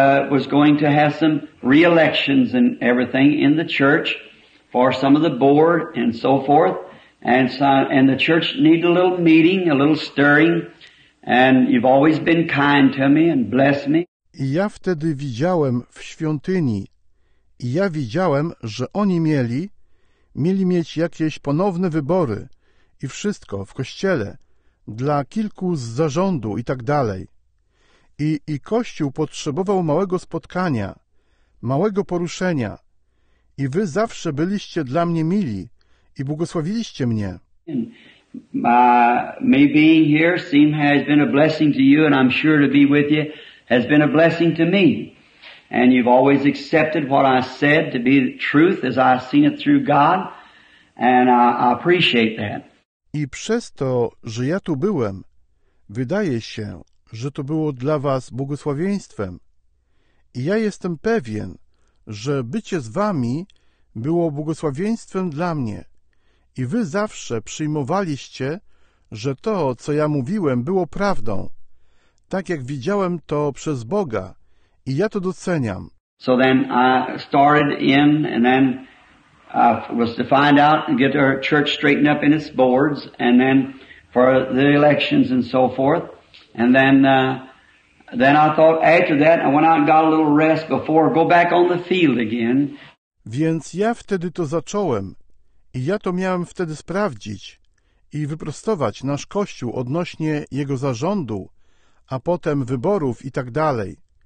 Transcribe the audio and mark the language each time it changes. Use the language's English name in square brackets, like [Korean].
[English] Was going to have some re-elections and everything in the church for some of the board and so forth, and some, and the church need a little meeting, a little stirring, and you've always been kind to me and blessed me. [Polish] I ja wtedy widziałem w świątyni, i ja widziałem, że oni mieli mieć jakieś ponowne wybory i wszystko w kościele dla kilku z zarządu i tak dalej. I Kościół potrzebował małego spotkania, małego poruszenia. I wy zawsze byliście dla mnie mili i błogosławiliście mnie. [English] My being here seem has been a blessing to you, and I'm sure to be with you has been a blessing to me. And you've always accepted what I said to be the truth as I've seen it through God, and I appreciate that. [Polish] I przez to, że ja tu byłem, wydaje się, że to było dla was błogosławieństwem. I ja jestem pewien, że bycie z wami było błogosławieństwem dla mnie. I wy zawsze przyjmowaliście, że to, co ja mówiłem, było prawdą. Tak jak widziałem to przez Boga. I ja to doceniam. [English] So then I started in, and then I was to find out and get our church straightened up in its boards, and then for the elections and so forth. And then I thought after that I went out and got a little rest before I go back on the field again. [Polish] Więc ja wtedy to zacząłem i ja to miałem wtedy sprawdzić i wyprostować nasz kościół odnośnie jego zarządu, a potem wyborów i tak dalej.